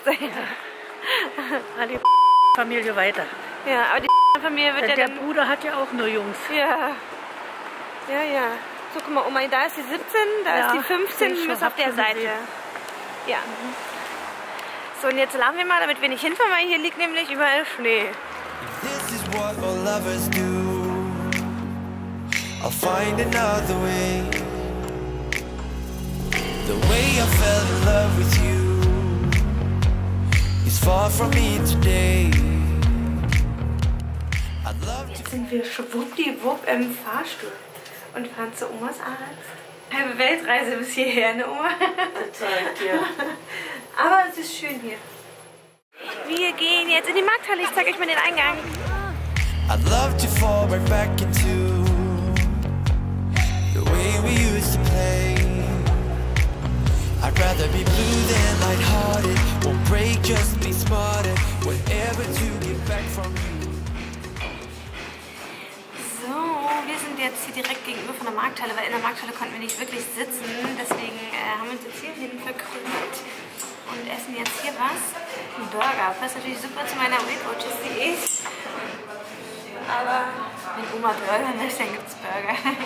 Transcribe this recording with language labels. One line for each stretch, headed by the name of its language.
German: Ja. Alle Familie weiter. Ja, aber die Familie wird ja. Der Bruder hat ja auch nur Jungs. Ja. Ja, ja. So, guck mal, Oma, da ist die 17, da ist die 15, du bist auf der Seite. Sie. Ja. So, und jetzt laufen wir mal, damit wir nicht hinfahren, weil hier liegt nämlich überall Schnee.
English: This is what all lovers do. I'll find another way. The way I fell in love with you is far from me today. I'd love to.
German: Jetzt sind wir schwuppdiwupp im Fahrstuhl und fahren zu Omas Arzt. Halbe Weltreise bis hierher, ne Oma? Total, ja. Aber es ist schön hier. Wir gehen jetzt in die Markthalle, ich zeig euch mal den Eingang.
English: I'd love to fall right back into the way we used to play. I'd rather be blue than lighthearted. Won't break, just be spotted. Whatever to get back from you.
German: So, wir sind jetzt hier direkt gegenüber von der Markthalle, weil in der Markthalle konnten wir nicht wirklich sitzen. Deswegen haben wir uns jetzt hier hinten verkrümmt und essen jetzt hier was. Ein Burger. Das ist natürlich super zu meiner Weightwatches, die ich. Aber wenn Oma Burger möchte, dann gibt's Burger.